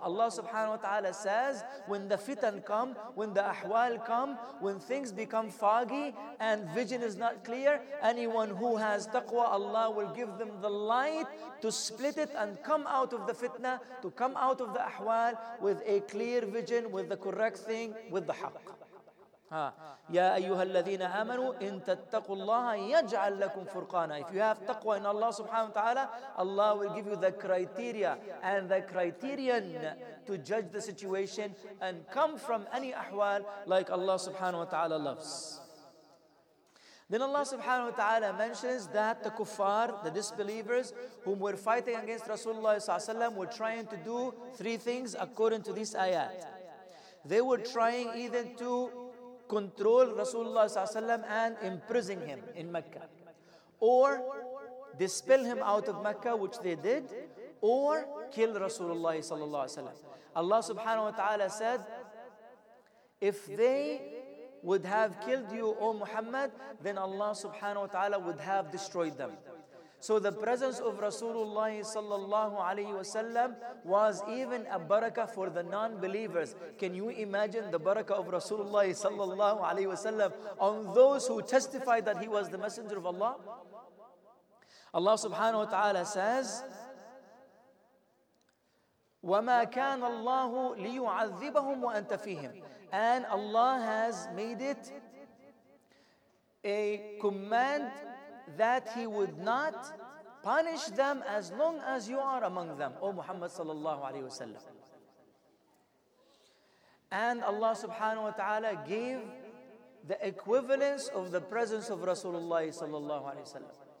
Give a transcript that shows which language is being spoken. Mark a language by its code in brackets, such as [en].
[en] Allah subhanahu wa ta'ala says, when the fitan come, when the ahwal come, when things become foggy and vision is not clear, anyone who has taqwa, Allah will give them the light to split it and come out of the fitna, to come out of the ahwal with a clear vision, with the correct thing, with the haqq. [ar] يا أيها الذين آمنوا إن تتقوا الله يجعل لكم فرقانا. [en] If you have taqwa in Allah subhanahu wa ta'ala, Allah will give you the criteria and the criterion to judge the situation and come from any ahwal like Allah subhanahu wa ta'ala loves. Then Allah subhanahu wa ta'ala mentions that the kuffar, the disbelievers, whom were fighting against Rasulullah sallallahu alayhi wa sallam, were trying to do three things according to this ayat. They were trying either to control Rasulullah sallallahu alayhi wa sallam and imprison him in Mecca, or dispel him out of Mecca, which they did, or kill Rasulullah sallallahu alayhi wa sallam. Allah subhanahu wa ta'ala said, if they would have killed you, O Muhammad, then Allah subhanahu wa ta'ala would have destroyed them. So the presence of Rasulullah sallallahu alayhi wa sallam was even a barakah for the non-believers. Can you imagine the barakah of Rasulullah sallallahu alayhi wa sallam on those who testified that he was the messenger of Allah? [ar] Allah subhanahu wa ta'ala says, وَمَا كَانَ اللَّهُ لِيُعَذِّبَهُمْ وَأَنْتَ فِيهِمْ. [en] And Allah has made it a command that He would not punish them as long as you are among them, O Muhammad sallallahu alayhi wa sallam. And Allah subhanahu wa ta'ala gave the equivalence of the presence of Rasulullah sallallahu alayhi wa sallam.